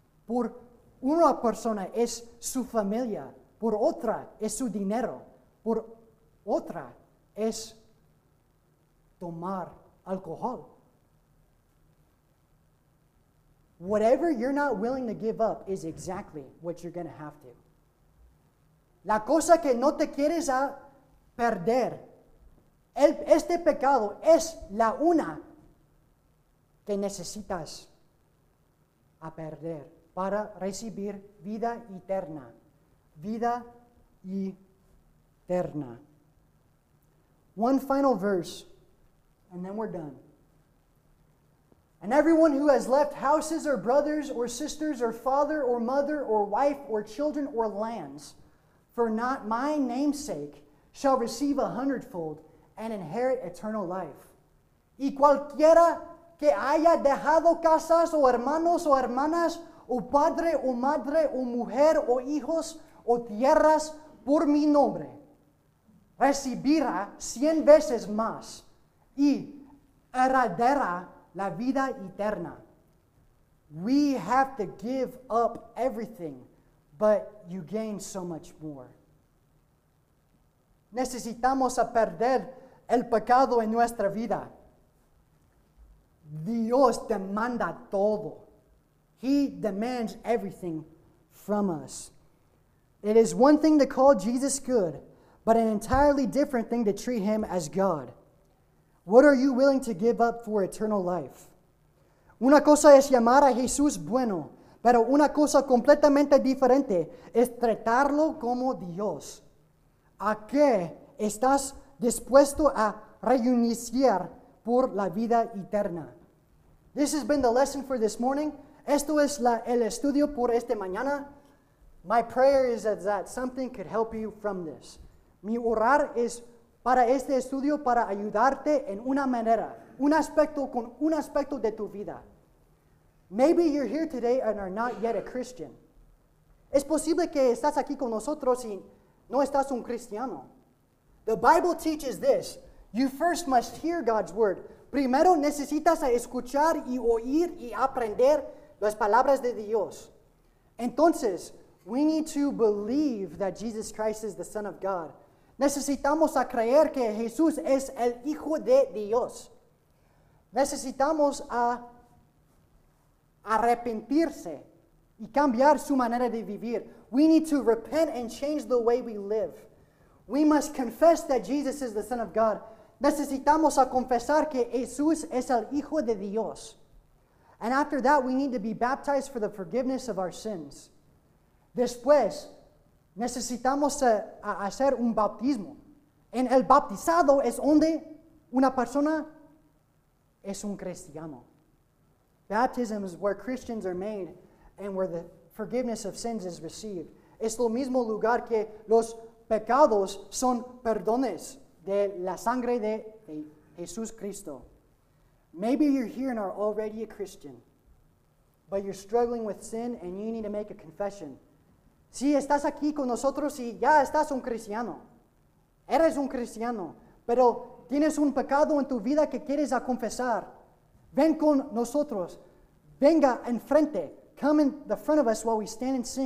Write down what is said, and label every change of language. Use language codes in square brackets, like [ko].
[es] Por una persona es su familia. Por otra es su dinero. Por otra es tomar alcohol. [en] Whatever you're not willing to give up is exactly what you're going to have to. [es] La cosa que no te quieres a perder, este pecado es la una que necesitas a perder para recibir vida eterna. Vida eterna. [en] One final verse, and then we're done. And everyone who has left houses or brothers or sisters or father or mother or wife or children or lands for not my name's sake shall receive a hundredfold and inherit eternal life. [es] Y cualquiera que haya dejado casas o hermanos o hermanas o padre o madre o mujer o hijos o tierras por mi nombre recibirá 100 veces más y heredará la vida eterna. [en] We have to give up everything, but you gain so much more. [es] Necesitamos a perder el pecado en nuestra vida. Dios demanda todo. [en] He demands everything from us. It is one thing to call Jesus good, but an entirely different thing to treat him as God. What are you willing to give up for eternal life? [es] Una cosa es llamar a Jesús bueno, pero una cosa completamente diferente es tratarlo como Dios. ¿A qué estás dispuesto a renunciar por la vida eterna? [en] This has been the lesson for this morning. [es] Esto es el estudio por esta mañana. [en] My prayer is that something could help you from this. [es] Mi orar es para este estudio, para ayudarte en una manera, un aspecto de tu vida. [en] Maybe you're here today and are not yet a Christian. [es] Es posible que estás aquí con nosotros y no estás un cristiano. [en] The Bible teaches this. You first must hear God's word. [es] Primero necesitas escuchar y oír y aprender las palabras de Dios. [en] Entonces, we need to believe that Jesus Christ is the Son of God. [es] Necesitamos a creer que Jesús es el Hijo de Dios. Necesitamos a arrepentirse y cambiar su manera de vivir. [en] We need to repent and change the way we live. We must confess that Jesus is the Son of God. [es] Necesitamos a confesar que Jesús es el Hijo de Dios. [en] And after that, we need to be baptized for the forgiveness of our sins. [es] Después, necesitamos a hacer un bautismo. En el bautizado es donde una persona es un cristiano. [en] Baptism is where Christians are made and where the forgiveness of sins is received. [es] Es lo mismo lugar que los pecados son perdones de la sangre de Jesús Cristo. [en] Maybe you're here and are already a Christian, but you're struggling with sin and you need to make a confession. [es] Si estás aquí con nosotros y ya estás un cristiano, eres un cristiano, pero tienes un pecado en tu vida que quieres a confesar, ven con nosotros, venga enfrente, [en] come in the front of us while we stand and sing.